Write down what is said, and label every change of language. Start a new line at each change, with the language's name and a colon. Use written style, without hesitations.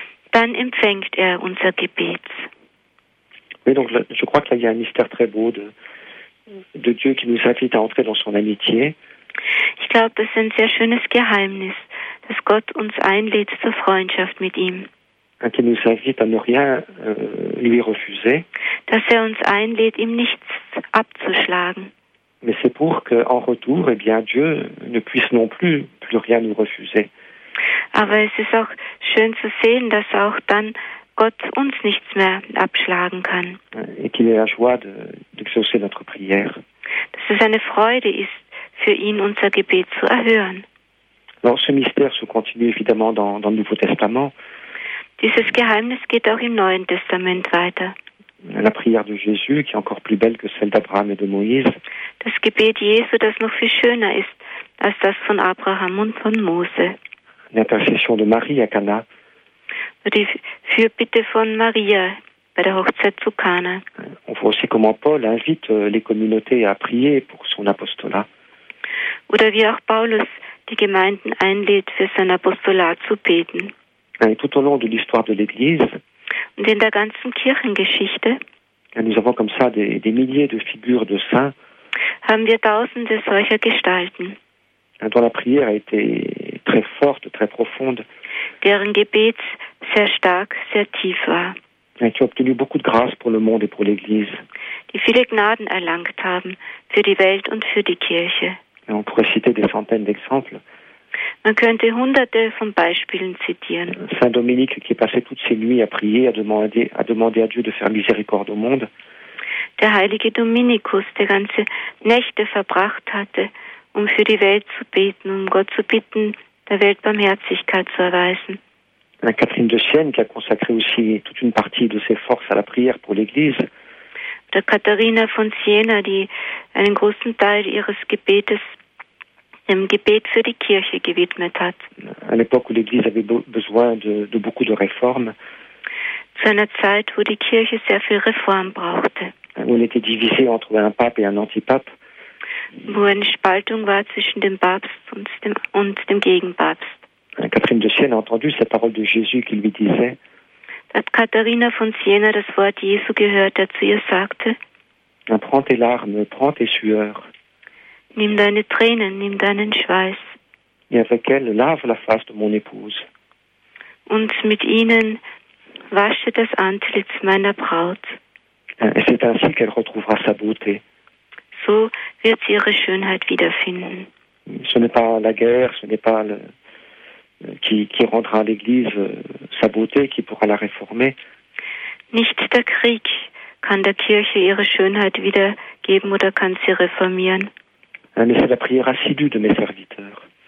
German: Dann empfängt er unser Gebet.
French: Mais donc, je crois qu'il y a un mystère très beau de Dieu qui nous invite à entrer dans son amitié.
German: Ich glaube, das ist ein sehr schönes Geheimnis, dass Gott uns einlädt zur Freundschaft mit ihm.
French: Qui nous invite à ne rien lui refuser.
German: Dass er uns einlädt, ihm nichts abzuschlagen.
French: Mais c'est pour qu'en retour, eh bien, Dieu ne puisse non plus plus rien nous refuser.
German: Aber es ist auch schön zu sehen, dass auch dann Gott uns nichts mehr abschlagen kann.
French: Et qu'il ait la joie d'exaucer notre prière.
German: Dass es eine Freude ist, für ihn unser Gebet zu erhören.
French: Alors, ce mystère se continue évidemment dans le Nouveau Testament.
German: Dieses Geheimnis geht auch im Neuen Testament weiter.
French: La prière de Jésus, qui est encore plus belle que celle d'Abraham et de Moïse.
German: Das Gebet Jesu, das noch viel schöner ist als das von Abraham und von Mose.
French: L'intercession de Marie à Cana.
German: Die Fürbitte von Maria bei der Hochzeit zu Cana.
French: On voit aussi comment Paul invite les communautés à prier pour son apostolat.
German: Oder wie auch Paulus die Gemeinden einlädt, für sein Apostolat zu beten.
French: Et tout au long de l'histoire de l'Église,
German: und in der ganzen Kirchengeschichte,
French: nous avons comme ça des milliers de figures de saints,
German: haben wir tausende solcher Gestalten,
French: dont la prière a été très forte, très profonde,
German: deren Gebet sehr stark, sehr tief war,
French: qui ont obtenu beaucoup de grâce pour le monde et pour l'Église,
German: die viele Gnaden erlangt haben für die Welt und für die Kirche.
French: Et on pourrait citer des centaines d'exemples.
German: Man könnte hunderte von Beispielen zitieren.
French: Saint Dominique, qui est passé toutes ses nuits à prier, a demandé à Dieu de faire miséricorde au monde.
German: Der heilige Dominikus, der ganze Nächte verbracht hatte, um für die Welt zu beten, um Gott zu bitten, der Welt Barmherzigkeit zu erweisen.
French: La Catherine de Sienne, qui a consacré aussi toute une partie de ses forces à la prière pour l'Église.
German: Der Katharina von Siena, die einen großen Teil ihres Gebetes im Gebet für die Kirche gewidmet hat.
French: À l'époque où l'Église avait besoin de beaucoup de réformes.
German: Zu einer Zeit, wo die Kirche sehr viel Reform brauchte.
French: Où elle était divisée entre un pape et un antipape.
German: Wo eine Spaltung war zwischen dem Papst und dem Gegenpapst.
French: Catherine de Sienne a entendu cette parole de Jésus qui lui disait.
German: Hat Katharina von Siena das Wort Jesu gehört, der zu ihr sagte.
French: Prends tes larmes, prends tes sueurs.
German: Nimm deine Tränen, nimm deinen Schweiß.
French: Et avec elle, lave la face de mon épouse.
German: Und mit ihnen wasche das Antlitz meiner Braut.
French: Et c'est ainsi qu'elle retrouvera sa beauté.
German: So wird sie ihre Schönheit wiederfinden.
French: Ce n'est pas la guerre, ce n'est pas qui rendra l'Église sa beauté, qui pourra la réformer.
German: Nicht der Krieg kann der Kirche ihre Schönheit wiedergeben oder kann sie reformieren.
French: Mais c'est la prière assidue de mes serviteurs.